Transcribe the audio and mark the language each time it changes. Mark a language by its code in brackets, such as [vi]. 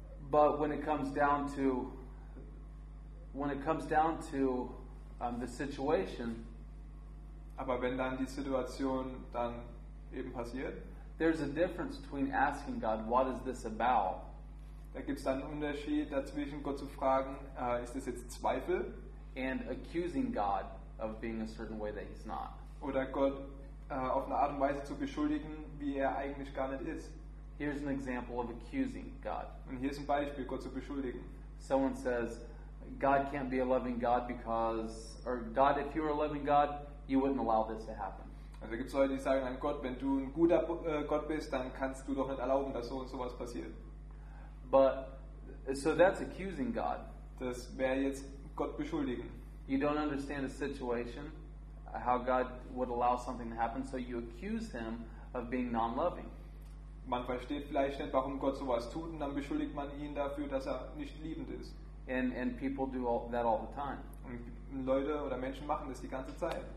[en] But when it comes down to the situation, [de] aber wenn dann die Situation dann eben passiert, [en] there's a difference between asking God, what is this about? [de] Da gibt's dann einen Unterschied dazwischen, Gott zu fragen, ist das jetzt Zweifel? [en] And accusing God of being a certain way that He's not. [de] Oder Gott auf eine Art und Weise zu beschuldigen, wie er eigentlich gar nicht ist. [en] Here's an example of accusing God. [de] Und hier ist ein Beispiel, Gott zu beschuldigen. [en] Someone says, God can't be a loving God because, or God, if you were a loving God, you wouldn't allow this to happen. [de] Also gibt's Leute, die sagen, Gott, wenn du ein guter Gott bist, dann kannst du doch nicht erlauben, dass so und sowas passiert. [en] But so that's accusing God. [de] Das wäre jetzt Gott beschuldigen. [en] You don't understand the situation, how God would allow something to happen, so you accuse Him of being non-loving. [de] Man versteht vielleicht nicht, warum Gott sowas tut, und dann beschuldigt man ihn dafür, dass er nicht liebend ist. [en] And people do that all the time. [de] Und Leute oder Menschen machen das die ganze Zeit.